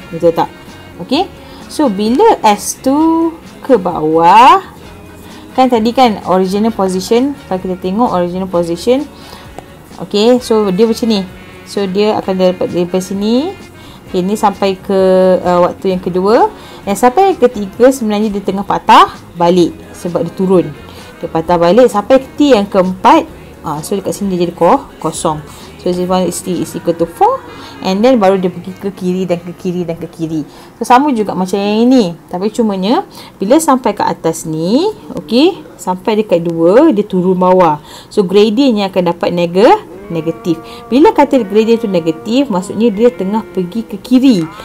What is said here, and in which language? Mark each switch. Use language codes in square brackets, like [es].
[ms] Betul tak? Okay, so bila S tu ke bawah, kan tadi kan original position, kalau kita tengok original position, okay, so dia macam ni. So dia akan dapat daripada sini. Okay, ni sampai ke waktu yang kedua. Yang sampai yang ketiga sebenarnya dia tengah patah balik, sebab dia turun. Dia patah balik sampai T yang keempat. So dekat sini dia jadi kosong. [en] So this one is T is equal to 4. And then [ms] baru dia pergi ke kiri dan ke kiri dan ke kiri. So sama juga macam yang ini. Tapi cumanya bila sampai ke atas ni, okay, sampai dekat 2, dia turun bawah. So gradientnya akan dapat negatif. Bila kata gradient tu negatif, maksudnya dia tengah pergi ke kiri.